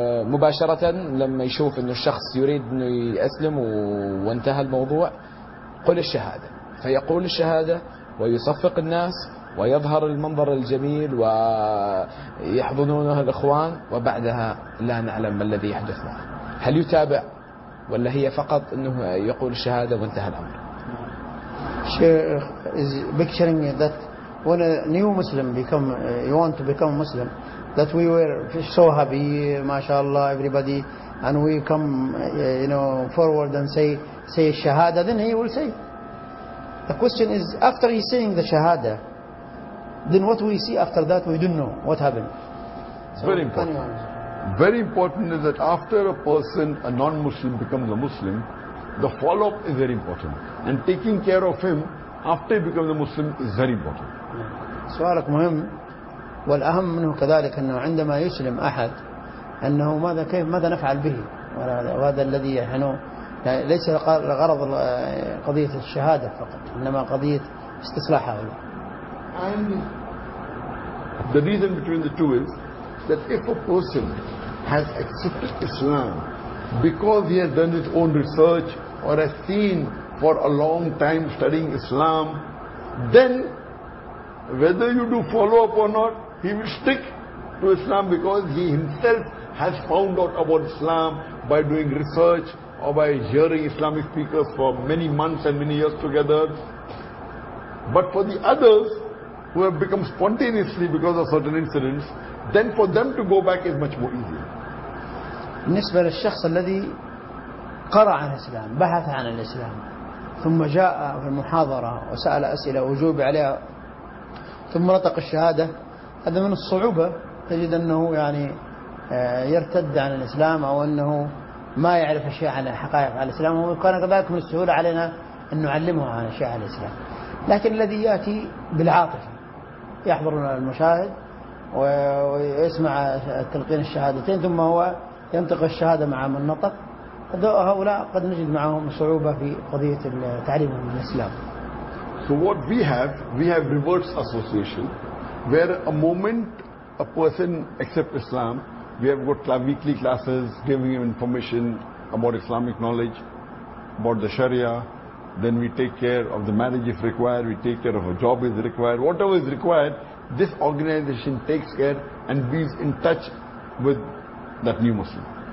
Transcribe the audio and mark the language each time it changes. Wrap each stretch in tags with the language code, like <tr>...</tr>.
<ar>مباشرة لما يشوف أن الشخص يريد أنه يسلم وانتهى الموضوع قل الشهادة، فيقول الشهادة ويصفق الناس ويظهر المنظر الجميل ويحضنونه الإخوان، وبعدها لا نعلم ما الذي يحدث معه. هل يتابع ولا هي فقط أنه يقول الشهادة وانتهى الأمر؟</ar> <en>شيخ is picturing that when a new Muslim become, you want to become Muslim, that we were so happy, mashallah, everybody, and we come, you know, forward and say shahada, then he will say. The question is, after he saying the shahada, then what we see after that, we don't know what happened. So, very important. Very important is that after a person, a non-Muslim, becomes a Muslim, the follow-up is very important. And taking care of him after he becomes a Muslim is very important.</en> <ar>سؤالك مهم والأهم منه كذلك أنه عندما يسلم أحد أنه ماذا كيف ماذا نفعل به وهذا الذي يعني ليس غرض قضية الشهادة فقط إنما قضية استصلاح هؤلاء.</ar> <en>And the reason between the two is that if a person has accepted Islam because he has done his own research or has seen for a long time studying Islam, then whether you do follow up or not, he will stick to Islam because he himself has found out about Islam by doing research or by hearing Islamic speakers for many months and many years together. But for the others who have become spontaneously because of certain incidents, then for them to go back is much more easier.</en> <ar>بالنسبة للشخص الذي قرأ عن الإسلام بحث عن الإسلام ثم جاء في المحاضرة وسأل أسئلة وجوب عليها ثم نطق الشهادة، هذا من الصعوبة تجد أنه يعني يرتد عن الإسلام أو أنه ما يعرف أشياء عن حقائق على الإسلام، وكان كذلك من السهولة علينا أن نعلمه عن أشياء على الإسلام. لكن الذي يأتي بالعاطفة يحضر المشاهد ويسمع تلقين الشهادتين ثم هو ينطق الشهادة مع من نطق، هؤلاء قد نجد معهم صعوبة في قضية التعليم من الإسلام.</ar> <en>So what we have reverse association, where a moment a person accepts Islam, we have got weekly classes giving him information about Islamic knowledge, about the Sharia, then we take care of the marriage if required, we take care of a job if required, whatever is required, this organization takes care and be in touch with that new Muslim.</en>